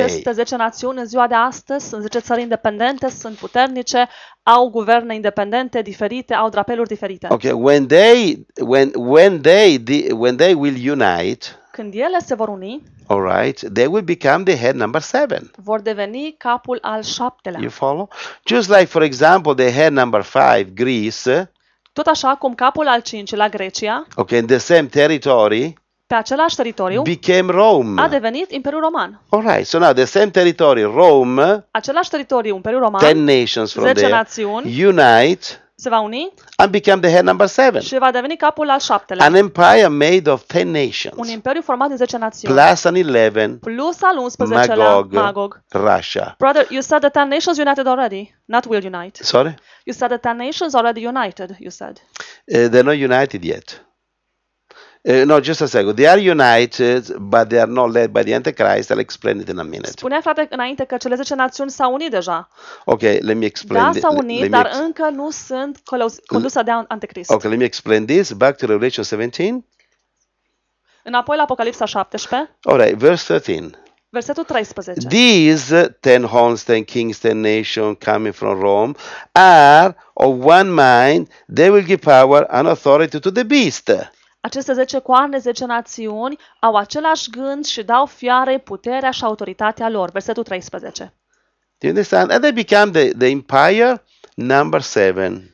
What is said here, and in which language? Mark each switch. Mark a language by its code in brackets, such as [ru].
[ro] Aceste 10 națiuni în ziua de astăzi sunt 10 țări independente, sunt puternice, au guverne independente diferite, au drapeluri diferite. [en] Okay, when they will unite, [ro] când ele se vor uni, [en] all right, they will become the head number 7. [ro] Vor deveni capul al 7-lea. [en] You follow? Just like for example the head number 5, Greece. [ro] Tot așa cum capul al 5-lea Grecia. [en] Okay, in the same territory. [ro] Pe același teritoriu [en] became Rome. [ro] A devenit Imperiul Roman. [en] All right. So now the same territory, Rome. [ro] Același teritoriu, Imperiul Roman. [en] 10 nations from 10 there. [ro] 10 națiuni. [en] Unite. [ro] Se va uni. [en] And became the head number 7. [ro] Și va deveni capul al 7-lea. [en] An empire made of 10 nations. [ro] Un imperiu format din 10 națiuni. [en] Plus an 11. [ro] Plus al 11-lea Magog. [en] Russia. Brother, you said the 10 nations united already, not will unite. Sorry? You said the 10 nations already united, you said. They're not united yet. No, just a second. They are united, but they are not led by the Antichrist. I'll explain it in a minute. [ro] Spunea, frate, înainte că cele 10 națiuni s-au unit deja. [en] Okay, let me explain. [ro] Da, s-au unit, dar încă nu sunt condusă de Antichrist. [en] Okay, let me explain this. Back to Revelation 17. [ro] Înapoi la Apocalipsa 17. [en] All right, verse 13. [ro] Versetul 13. [en] These 10 horns, 10 kings, 10 nations coming from Rome are of one mind. They will give power and authority to the beast. [ro] Aceste 10 coarne, 10 națiuni au același gând și dau fiare puterea și autoritatea lor. Versetul 13. [en] Do you understand? And they become the empire number 7.